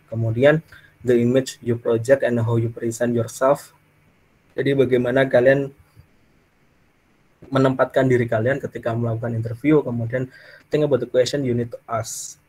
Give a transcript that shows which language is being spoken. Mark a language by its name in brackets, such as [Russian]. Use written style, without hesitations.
[English] Kemudian, the image you project and how you present yourself. [Indonesian] Jadi, bagaimana kalian menempatkan diri kalian ketika melakukan interview. [English] Kemudian, think about the question you need to ask.